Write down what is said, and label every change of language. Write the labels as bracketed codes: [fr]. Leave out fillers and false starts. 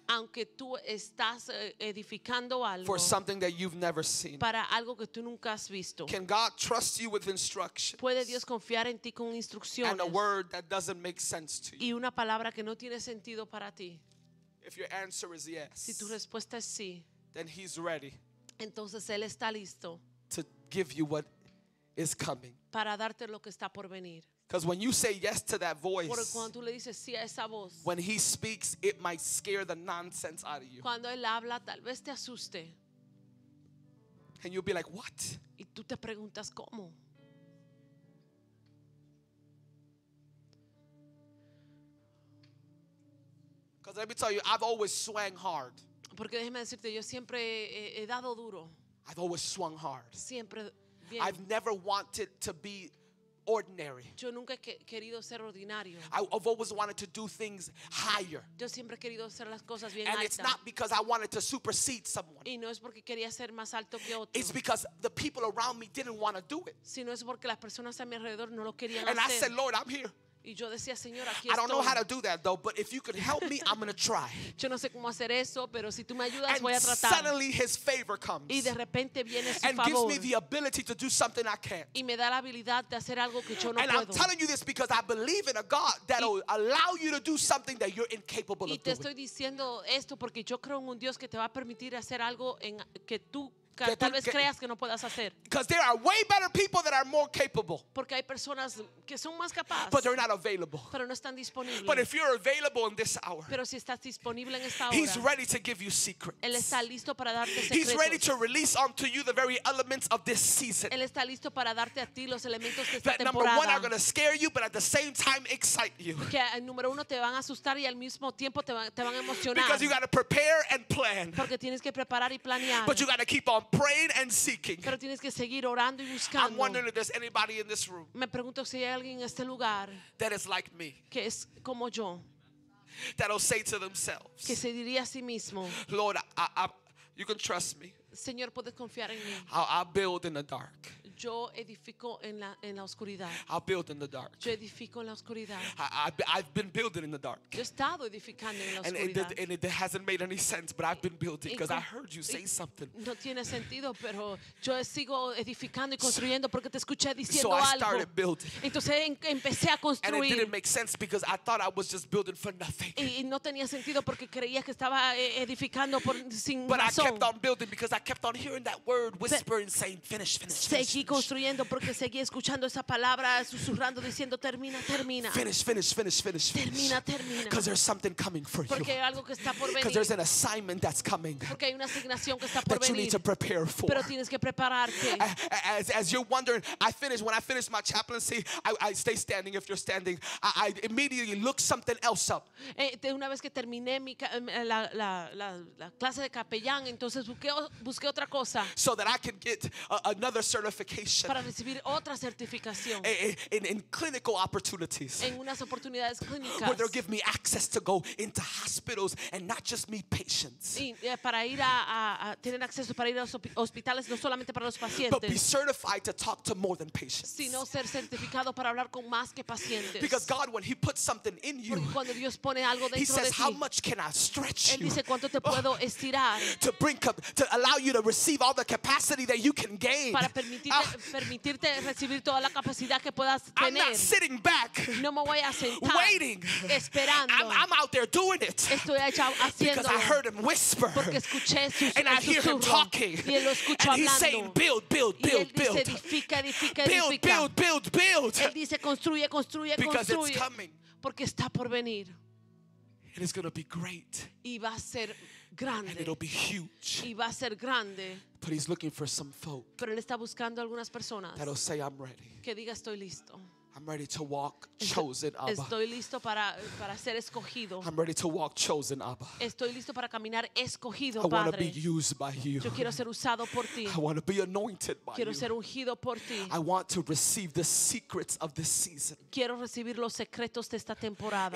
[es] Aunque tú estás edificando algo. [en] For something that you've never seen. [es] Para algo que tú nunca has visto. [en] Can God trust you with instructions? [es] ¿Puede Dios confiar en ti con instrucciones? [en] And a word that doesn't make sense to you. [es] Y una palabra que no tiene sentido para ti. [en] If your answer is yes. [es] Si tu respuesta es sí. [en] Then he's ready. [es] Entonces él está listo. [en] To give you what is coming. [es] Para darte lo que está por venir. [en] Because when you say yes to that voice, [es] porque cuando tú le dices sí a esa voz, [en] when he speaks, it might scare the nonsense out of you. [es] Cuando él habla, tal vez te asuste. [en] And you'll be like, what? [es] Y tú te preguntas cómo. [en] Because let me tell you, I've always swung hard. [es] Porque déjeme decirte, yo siempre he dado duro. [en] I've always swung hard. [es] Siempre. [en] I've never wanted to be ordinary. [es] Yo nunca he querido ser ordinario. [en] I've always wanted to do things higher. [es] Yo siempre he querido hacer las cosas bien altas. [en] And it's not because I wanted to supersede someone. [es] Y no es porque quería ser más alto que otro. [en] It's because the people around me didn't want to do it. [es] Sino es porque las personas a mi alrededor no lo querían [en] and And I said, Lord, I'm here. [es] Y yo decía, Señor, aquí [en] I don't Know how to do that though, but if you could help me, I'm going to try. [es] Yo no sé cómo hacer eso, pero si tú me ayudas, [en] and [es] voy a tratar. [en] Suddenly his favor comes. [es] Y de repente viene su [en] and [es] favor. [en] Gives me the ability to do something I can't. [es] Y me da la habilidad de hacer algo que yo no [en] and [es] puedo. [en] I'm telling you this because I believe in a God that will allow you to do something that you're incapable [es] y [en] of [es] te [en] doing. [es] Estoy diciendo esto porque yo creo en un Dios que te va a permitir hacer algo en que tú que tal vez creas que no puedas hacer. [en] Because there are way better people that are more capable. [es] Porque hay personas que son más capaces. [en] But they're not available. [es] Pero no están disponibles. [en] But if you're available in this hour. [es] Pero si estás disponible en esta hora. [en] He's ready to give you secrets. [es] Él está listo para darte secretos. [en] He's ready to release unto you the very elements of this season. [es] Él está listo para darte a ti los elementos de esta [en] that [es] temporada. [en] Number one are going to scare you, but at the same time excite you. [es] Que el número uno te van a asustar y al mismo tiempo te van a emocionar. [en] Because you got to prepare and plan. [es] Porque tienes que preparar y planear. [en] But you got to keep on praying and seeking. [es] Pero tienes que seguir orando y buscando. [en] I'm wondering if there's anybody in this room. [es] Me pregunto si hay alguien en este lugar. [en] That is like me. [es] Que es como yo. [en] That'll say to themselves. [es] Que se diría a sí mismo. [en] Lord, you can trust me. [es] Señor, puedes confiar en mí. [en] I'll build in the dark. [es] Yo edifico en la oscuridad. [en] I'll build in the dark. [es] Yo edifico en la oscuridad. [en] I've been building in the dark. [es] Yo he estado edificando en la oscuridad. [en] And it hasn't made any sense, but I've been building because I heard you say something. [es] No tiene sentido, pero yo sigo edificando y construyendo porque te escuché diciendo algo. [en] So I started building. [es] Entonces empecé a construir. [en] And it didn't make sense because I thought I was just building for nothing. [es] Y no tenía sentido porque creía que estaba edificando sin razón. [en] But I kept on building because I kept on hearing that word whispering, saying, "Finish, finish, finish." [es] construyendo porque seguía escuchando esa palabra susurrando diciendo termina, termina. [en] Finish, finish, finish, finish, finish. [es] Termina, termina. [en] Because there's something coming for [es] porque [en] you. [es] Porque hay algo que está por venir. [en] Because there's an assignment that's coming. [es] Porque hay una asignación que está por [en] that [es] venir. [en] You need to prepare for. [es] Pero tienes que prepararte. [en] As you're wondering, when I finish my chaplaincy, I stay standing if you're standing. I immediately look something else up. [es] Una vez que terminé la clase de capellán, entonces busqué otra cosa. [en] So that I can get another certification. [es] Para recibir otra certificación. [en] In clinical opportunities. [es] En unas oportunidades clínicas. [en] Where they'll give me access to go into hospitals and not just meet patients. [es] Para ir a tener acceso para ir a los hospitales no solamente para los pacientes. [en] But be certified to talk to more than patients. [es] Sino ser certificado para hablar con más que pacientes. [en] Because God, when He puts something in you. [es] Porque cuando Dios pone algo dentro de ti. [en] He says, "How much can I stretch you?" [es] Él dice cuánto te puedo estirar. [en] To bring up, to allow you to receive all the capacity that you can gain. [es] Para permitirte recibir toda la capacidad que puedas tener. [en] I'm not sitting back. [es] No me voy a sentar. [en] Waiting. [es] Esperando. [en] I'm out there doing it. [es] Estoy haciendo. [en] Because I heard Him whisper. [es] Porque escuché su susurro. [en] And I hear Him talking. [es] Y él lo escucho [en] and [es] hablando. [en] He's saying, "Build, build, build, build." [es] Y él dice, "Edifica, edifica, [en] build, [es] edifica." [en] Build, build, build, build. [es] Él dice, "Construye, construye, construye." [en] Because it's coming. [es] Porque está por venir. [en] And it's going to be great. [es] Y va a ser grande. [en] And it'll be huge. [es] Y va a ser grande. [en] But He's looking for some folk. [es] Pero él está buscando algunas personas. [en] That'll say, "I'm ready." [es] Que diga, "Estoy listo." [en] I'm ready to walk chosen, Abba. [es] Estoy listo para ser escogido. [en] I'm ready to walk chosen, Abba. [es] Estoy listo para caminar escogido, [en] Padre. I want to be used by you. [es] Yo quiero ser usado por ti. [en] I want to be anointed by [es] quiero [en] you. [es] Ser ungido por ti. [en] I want to receive the secrets of this season. [es] Quiero recibir los secretos de esta temporada.